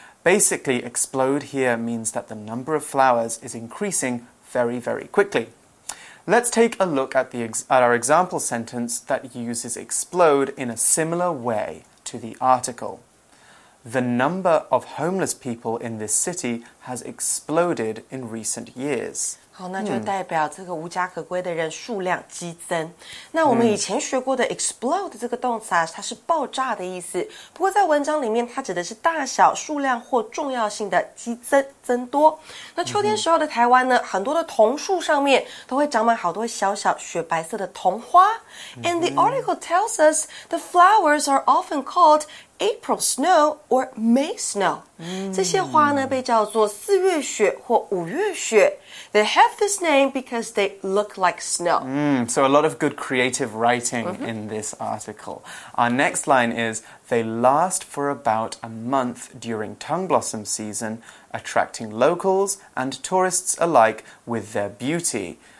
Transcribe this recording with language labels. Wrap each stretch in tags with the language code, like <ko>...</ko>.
<en>Basically, explode here means that the number of flowers is increasing very, very quickly. Let's take a look at our example sentence that uses explode in a similar way to the article. The number of homeless people in this city has exploded in recent years.</en> <zh>好，那就代表这个无家可归的人数量激增。那我们以前学过的 explode 这个动词啊，它是爆炸的意思。不过在文章里面，它指的是大小、数量或重要性的激增、增多。那秋天时候的台湾呢，很多的桐树上面都会长满好多小小雪白色的桐花。</zh> <en>And the article tells us the flowers are often called April snow or May snow.</en> <zh>这些花呢被叫做四月雪或五月雪。</zh> <en>They have this name because they look like snow. So a lot of good creative writing in this article. Our next line is, they last for about a month during tongue blossom season, attracting locals and tourists alike with their beauty.</en>